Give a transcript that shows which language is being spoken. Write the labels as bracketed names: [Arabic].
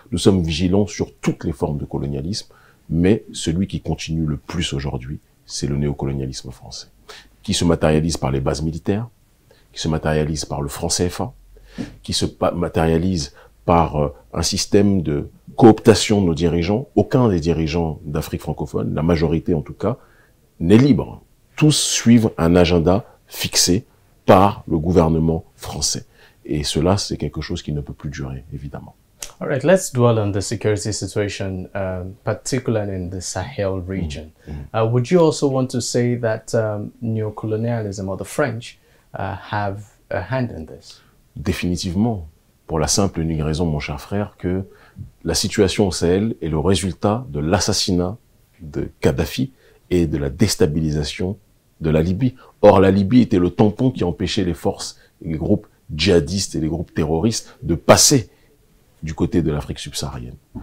[French] Nous sommes vigilants sur toutes les formes de colonialisme, mais celui qui continue le plus aujourd'hui, c'est le néocolonialisme français, qui se matérialise par les bases militaires, qui se matérialise par le franc CFA, qui se matérialise par un système de cooptation de nos dirigeants. Aucun des dirigeants d'Afrique francophone, la majorité en tout cas, n'est libre. Tous suivent un agenda fixé par le gouvernement français. Et cela, c'est quelque chose qui ne peut plus durer, évidemment. [English] All right, let's dwell on the security situation, particularly in the Sahel region. Would you also want to say that neocolonialism or the French have a hand in this? [French] Définitivement. Pour la simple et unique raison, mon cher frère, que la situation au Sahel est le résultat de l'assassinat de Kadhafi et de la déstabilisation de la Libye. Or, la Libye était le tampon qui empêchait les forces, les groupes djihadistes et les groupes terroristes de passer du côté de l'Afrique subsaharienne.